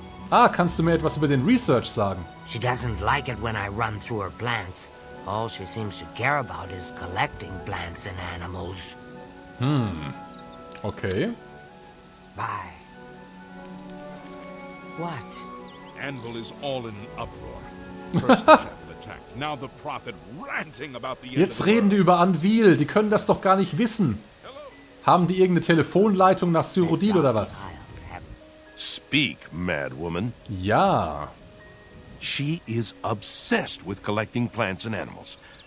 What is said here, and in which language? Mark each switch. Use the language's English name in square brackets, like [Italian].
[German] Ah, kannst du mir etwas über den Research sagen? [English] She doesn't like it when I run through her plants. All she seems to care about is collecting plants and animals. Okay. Bye. What? Anvil is all in an uproar. First the chapel attacked, now the prophet ranting about the... [German] Jetzt reden die über Anvil, die können das doch gar nicht wissen. Haben die irgendeine Telefonleitung nach Cyrodiil oder was? [English] Speak, madwoman. [German] Ja. [English] She is obsessed with collecting plants and animals.